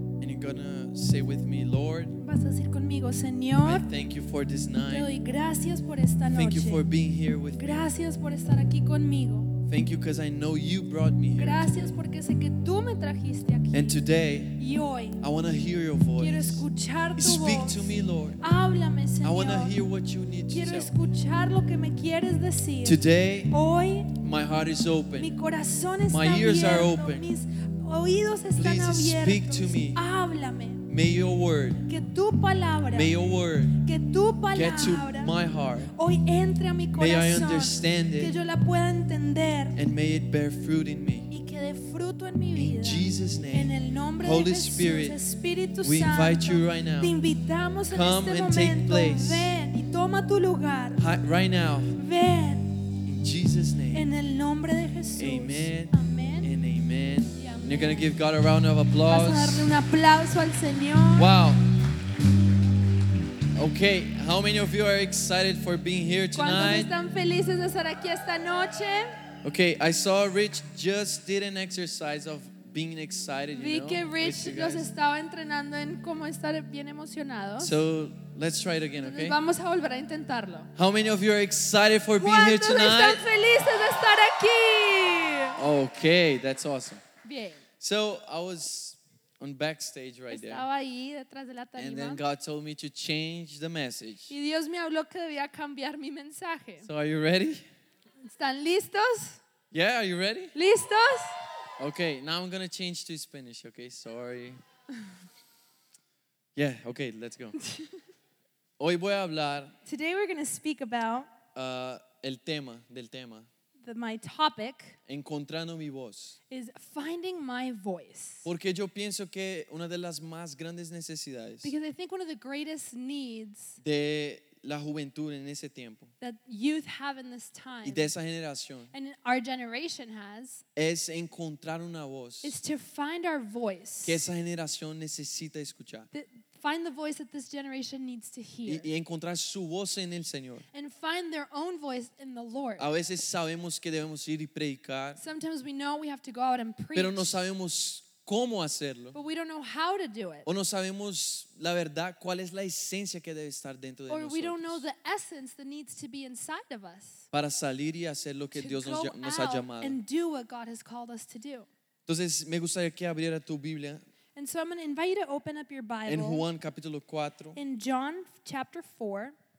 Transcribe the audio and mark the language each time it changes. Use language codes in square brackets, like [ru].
[en] And you're going to say with me, Lord, [es] vas a decir conmigo, Señor, [en] I thank you for this night. [es] Te doy gracias por esta noche. [en] Thank you for being here with [es] gracias [en] me. [es] Por estar aquí conmigo. [en] Thank you because I know you brought me here. [es] Gracias porque sé que tú me trajiste aquí. [en] And today, [es] y hoy, [en] I want to hear your voice. [es] Quiero escuchar tu [en] Speak [es] voz. [en] To me, Lord. [es] Háblame, Señor. [en] I want to hear what you need [es] quiero [en] to tell. [es] Escuchar lo que me quieres decir. [en] Today, [es] hoy, [en] my heart is open. [es] Mi corazón está [en] my ears [es] abierto. [en] Are open. [es] Mis oídos están [en] Please [es] abiertos. [en] Speak to me. [es] Háblame. [en] May your word, [es] que tu palabra, [en] may your word [es] que tu palabra, [en] get to my heart. [es] Hoy entre a mi corazón, [en] may I understand it, [es] que yo la pueda entender, [en] and may it bear fruit in me. [es] Y que dé fruto en mi vida. [en] In Jesus' name, [es] en el nombre [en] Holy [es] de Jesús, [en] Spirit, [es] Espíritu [en] we [es] Santo, [en] invite you right now. [es] Te invitamos [en] Come [es] en este [en] and Take place. [es] Ven y toma tu lugar. [en] Hi, right now. [es] Ven. [en] In Jesus' name. [es] En el nombre de Jesús. Amen. Amen. [en] And amen. You're going to give God a round of applause. [es] Vas a darle un aplauso al Señor. [en] Wow. Okay, how many of you are excited for being here tonight? [es] ¿Cuántos están felices de estar aquí esta noche? [en] Okay, I saw Rich just did an exercise of being excited. [es] Vi [en] you know, [es] que Rich los estaba entrenando en cómo estar bien emocionados. [en] So let's try it again, okay? [es] Vamos a volver a intentarlo. [en] How many of you are excited for being here tonight? [es] ¿Cuántos están felices de estar aquí? [en] Okay, that's awesome. [es] Bien. [en] So I was on backstage right [es] Estaba [en] there. [es] Ahí, detrás de la tarima. [en] And then God told me to change the message. [es] Y Dios me habló que debía cambiar mi mensaje. [en] So are you ready? [es] ¿Están listos? [en] Yeah, are you ready? [es] ¿Listos? [en] Okay, now I'm going to change to Spanish, okay? Sorry. Yeah, okay, let's go. [es] Hoy voy a hablar. [en] Today we're going to speak about [es] el tema del tema. [en] My topic [es] Encontrando mi voz. [en] Is finding my voice. [es] Porque yo pienso que una de las más grandes necesidades [en] Because I think one of the greatest needs [es] de la juventud en ese tiempo [en] that youth have in this time [es] y de esa generación [en] and our generation has [es] es encontrar una voz [en] is to find our voice [es] que esa generación necesita escuchar. [en] Find the voice that this generation needs to hear. [es] Y encontrar su voz en el Señor. [en] And find their own voice in the Lord. [es] A veces sabemos que debemos ir y predicar. [en] Sometimes we know we have to go out and preach. [es] Pero no sabemos cómo hacerlo. [en] But we don't know how to do it. [es] O no sabemos la verdad, cuál es la esencia que debe estar dentro de [en] Or [es] nosotros. [en] Or we don't know the essence that needs to be inside of us. [es] Para salir y hacer lo que [en] to [es] Dios nos ha llamado. [en] And do what God has called us to do. [es] Entonces, me gustaría que abriera tu Biblia. [en] And so I'm going to invite you to open up your Bible [es] en Juan, capítulo 4, [en] in John chapter 4